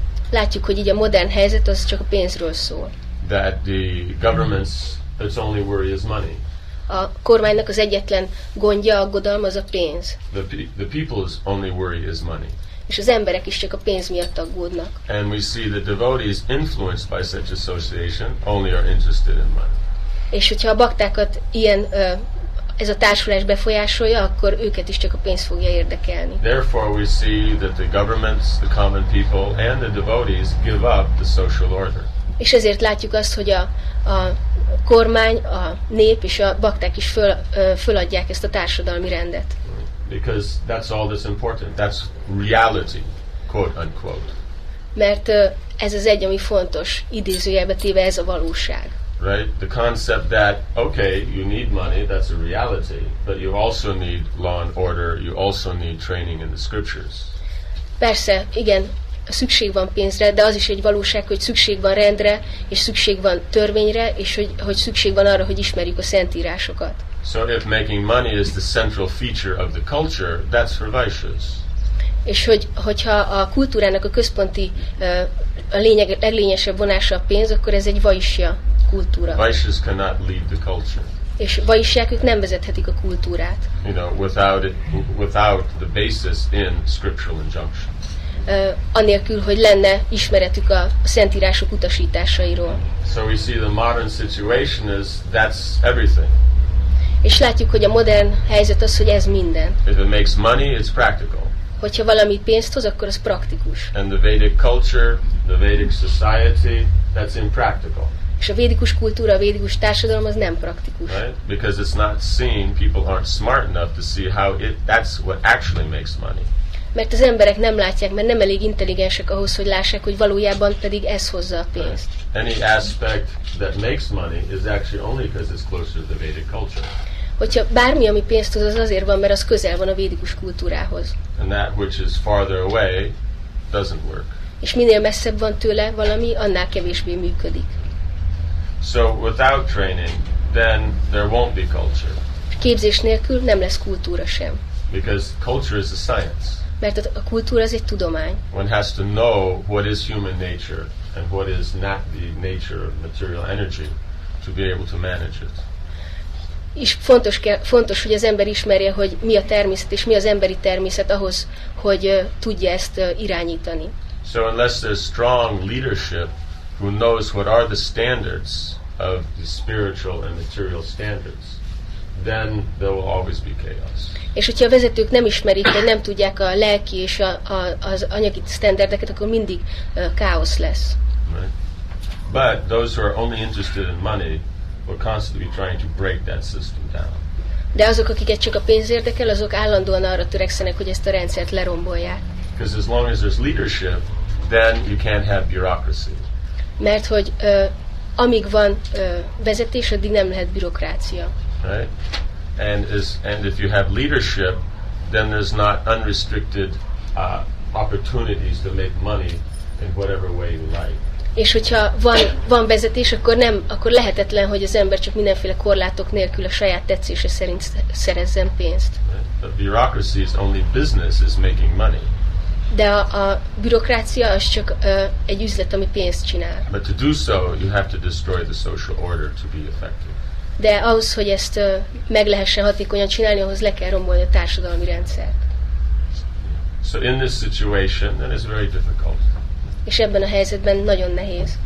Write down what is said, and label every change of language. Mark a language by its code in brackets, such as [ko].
[hu] Látjuk, hogy így a modern helyzet az csak a pénzről szól. [en] That the government's its only worry is money. [hu] A kormánynak az egyetlen gondja, aggodalma az a pénz. [en] The people's only worry is money. [hu] És az emberek is csak a pénz miatt aggódnak. [en] And we see the devotees influenced by such association only are interested in money. [hu] És hogyha a baktákat ilyen ez a társulás befolyásolja, akkor őket is csak a pénz fogja érdekelni. [en] Therefore we see that the governments, the common people and the devotees give up the social order. [hu] És ezért látjuk azt, hogy a kormány, a nép és a bakták is föladják ezt a társadalmi rendet. [en] Because that's all that's important. That's reality, quote unquote. [hu] Mert ez az egy, ami fontos, idézőjelbe téve ez a valóság. [en] Right? The concept that, okay, you need money, that's a reality, but you also need law and order, you also need training in the scriptures. [hu] Persze, igen, szükség van pénzre, de az is egy valóság, hogy szükség van rendre, és szükség van törvényre, és hogy szükség van arra, hogy ismerjük a szentírásokat. [en] So if making money is the central feature of the culture, that's for vaishyas. [hu] És hogyha a kultúrának a központi a lényeg, leglényesebb vonása a pénz, akkor ez egy vaishya kultúra. [en] Vaishyas cannot lead the culture. [hu] És vaishyák, ők nem vezethetik a kultúrát. [en] You know, without the basis in scriptural injunction. [hu] Anélkül, hogy lenne ismeretük a szentírások utasításairól. [en] So we see the modern situation is that's everything. [hu] És látjuk, hogy a modern helyzet az, hogy ez minden. [en] If it makes money, it's practical. [hu] Hogyha valami pénzt hoz, akkor az praktikus. [en] And the Vedic culture, the Vedic society, that's impractical. [hu] És a védikus kultúra, a védikus társadalom az nem praktikus. [en] Right? Because it's not seen, people aren't smart enough to see how that's what actually makes money. [hu] Mert az emberek nem látják, mert nem elég intelligensek ahhoz, hogy lássák, hogy valójában pedig ez hozza a pénzt. [en] Any aspect that makes money is actually only because it's closer to the Vedic culture. [hu] Hogyha bármi, ami pénzt hoz, az azért van, mert az közel van a védikus kultúrához. [en] And that which is farther away doesn't work. [hu] És minél messzebb van tőle valami, annál kevésbé működik. [en] So without training, then there won't be culture. [hu] Képzés nélkül nem lesz kultúra sem. [en] Because culture is a science. [hu] Mert a kultúra az egy tudomány. [en] One has to know what is human nature and what is not the nature of material energy to be able to manage it. [hu] És fontos, hogy az ember ismerje, hogy mi a természet és mi az emberi természet ahhoz, hogy tudja ezt irányítani. [en] So unless there's strong leadership who knows what are the standards of the spiritual and material standards, then there will always be chaos. [hu] És hogyha a vezetők nem ismerik, vagy nem tudják a lelki és az anyagi standardeket, akkor mindig káosz lesz. [en] Right. But those who are only interested in money will constantly be trying to break that system down. [hu] De azok, akiket csak a pénz érdekel, azok állandóan arra törekszenek, hogy ezt a rendszert lerombolják. [en] Because as long as there's leadership, then you can't have bureaucracy. [hu] Mert hogy amíg van vezetés, addig nem lehet bürokrácia. [en] Right? And if you have leadership, then there's not unrestricted opportunities to make money in whatever way you like. [hu] És hogyha van vezetés, akkor lehetetlen, hogy az ember csak mindenféle korlátok nélkül a saját tetszése szerint szerezzen pénzt. [en] But bureaucracy is only business is making money. [hu] De a bürokrácia az csak egy üzlet, ami pénzt csinál. [en] But to do so, you have to destroy the social order to be effective. [hu] De ahhoz, hogy ezt meg lehessen hatékonyan csinálni, ahhoz le kell rombolni a társadalmi rendszert. [en] So in this situation, that is very difficult. [hu] És ebben a helyzetben nagyon nehéz.